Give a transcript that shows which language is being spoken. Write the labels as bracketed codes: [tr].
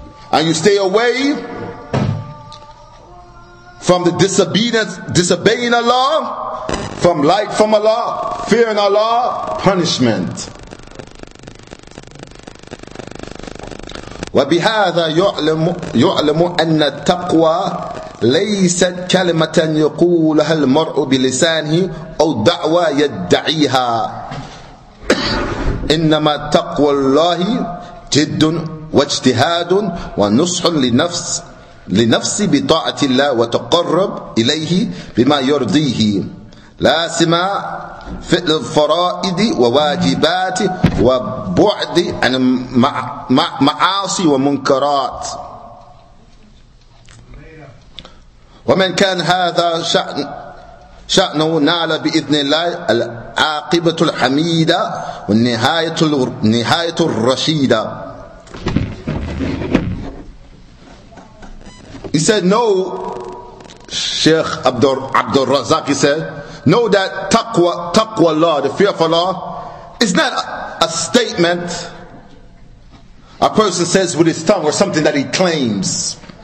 [en] And you stay away from the disobeying Allah, from light from Allah, fearing Allah, punishment. [ar] وبهذا يعلم أن التقوى ليست كلمة يقولها المرء بلسانه أو دعوة يدعيها. إنما تقوى الله جد واجتهاد ونصح لنفس بطاعة الله وتقرب إليه بما يرضيه. لازم فعل الفرائض وواجبات وبعد عن معاصي ومنكرات. ومن كان هذا شأنه نال بإذن الله العاقبة الحميدة والنهاية الرشيدة. [en] He said, no, Sheikh Abdul Razak, he said, know that taqwa Allah, the fear of Allah, is not a statement a person says with his tongue or something that he claims.